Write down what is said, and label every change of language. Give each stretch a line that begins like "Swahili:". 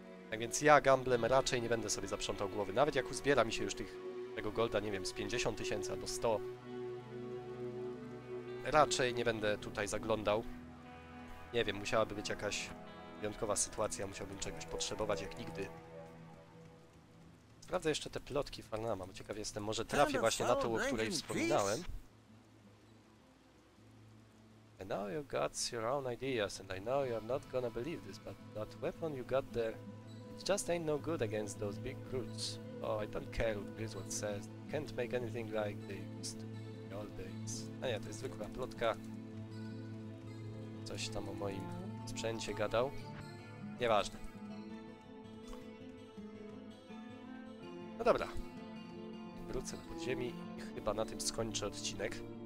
Polish: Tak więc ja gamblem raczej nie będę sobie zaprzątał głowy. Nawet jak uzbiera mi się już tego golda, nie wiem, z 50 tysięcy do 100, raczej nie będę tutaj zaglądał. Nie wiem, musiałaby być jakaś wyjątkowa sytuacja, musiałbym czegoś potrzebować jak nigdy. Sprawdzę jeszcze te plotki Farnama, bo ciekaw jestem, może trafię właśnie na to, o której wspominałem.
English: And now you got your own ideas, and I know you're not gonna believe this, but that weapon you got there, it just ain't no good against those big brutes. Oh, I don't care what Griswold says, can't make anything like they used in old days.
Polish: A nie, to jest zwykła plotka. Coś tam o moim sprzęcie gadał. Nieważne. No dobra. Wrócę do podziemi i chyba na tym skończę odcinek.